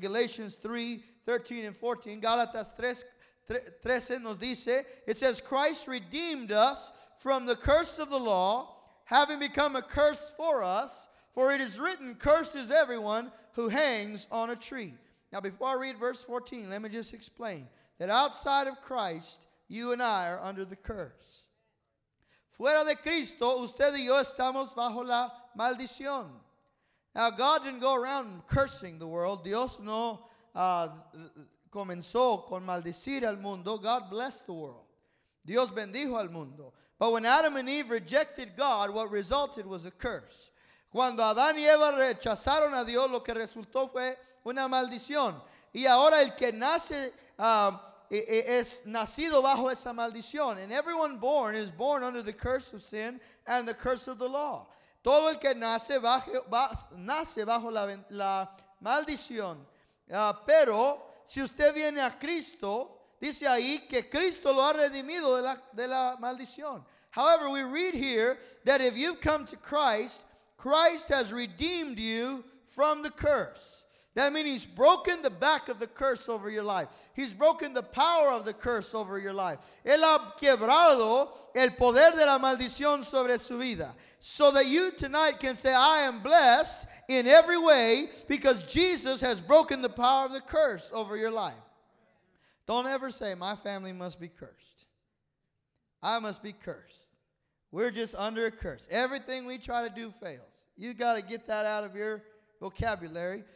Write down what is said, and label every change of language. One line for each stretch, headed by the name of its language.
English: Galatians 3, 13 and 14.
Spanish: Galatas 13 nos dice,
English: it says, Christ redeemed us from the curse of the law, having become a curse for us, for it is written, cursed is everyone who hangs on a tree. Now, before I read verse 14, let me just explain that outside of Christ, you and I are under the curse.
Spanish: Fuera de Cristo, usted y yo estamos bajo la maldición.
English: Now, God didn't go around cursing the world.
Spanish: Dios no comenzó con maldecir al mundo.
English: God blessed the world.
Spanish: Dios bendijo al mundo.
English: But when Adam and Eve rejected God, what resulted was a curse.
Spanish: Cuando Adán y Eva rechazaron a Dios, lo que resultó fue una maldición. Y ahora el que nace es nacido bajo esa maldición.
English: And everyone born is born under the curse of sin and the curse of the law.
Spanish: Todo el que nace nace bajo la maldición. Pero si usted viene a Cristo, dice ahí que Cristo lo ha redimido de la maldición.
English: However, we read here that if you've come to Christ, Christ has redeemed you from the curse. That means he's broken the back of the curse over your life. He's broken the power of the curse over your life.
Spanish: Él ha quebrado el poder de la maldición sobre su vida.
English: So that you tonight can say, I am blessed in every way because Jesus has broken the power of the curse over your life. Don't ever say, my family must be cursed. I must be cursed. We're just under a curse. Everything we try to do fails. You got to get that out of your vocabulary.